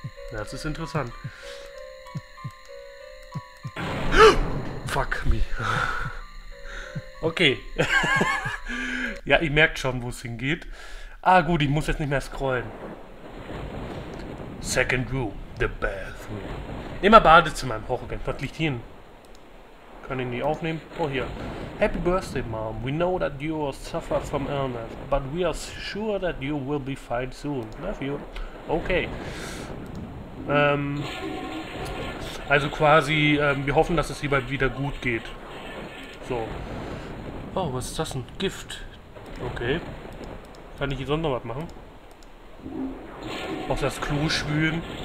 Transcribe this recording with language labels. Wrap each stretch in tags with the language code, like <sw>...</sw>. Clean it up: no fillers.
<de>Das ist interessant.</de> <en>Fuck me. Okay.</en> <de>Ja, ihr merkt schon, wo es hingeht. Ah, gut, ich muss jetzt nicht mehr scrollen.</de> <en>Second Room, the Bathroom.</en> <de>Immer Badezimmer im Horrorgame. Was liegt hier? Kann ich nicht aufnehmen?</de> <en>Oh, hier. Happy Birthday, Mom. We know that you suffer from illness, but we are sure that you will be fine soon. Love you. Okay.</en> <de>Also quasi, wir hoffen, dass es hier bald wieder gut geht. So. Oh, was ist das denn? Gift. Okay. Kann ich hier sonst noch was machen? Auf das Klo spülen.</de>